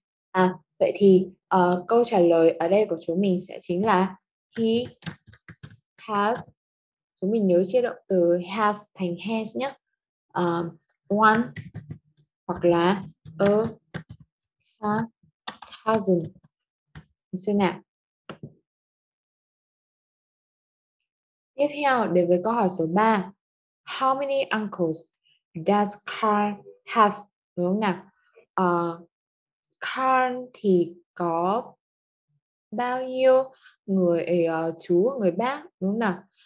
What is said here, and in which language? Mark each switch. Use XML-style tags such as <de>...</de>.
<vi>À vậy thì câu trả lời ở đây của chúng mình sẽ chính là</vi> <en>he has,</en> <vi>chúng mình nhớ chia động từ have thành has nhé. One hoặc là</vi> <en>a cousin.</en> <vi>Xem nào. Tiếp theo đến với câu hỏi số 3.</vi> <en>How many uncles does Carl have?</en> <vi>Đúng không nào? Carl thì có bao nhiêu người chú, người bác đúng không nào?</vi>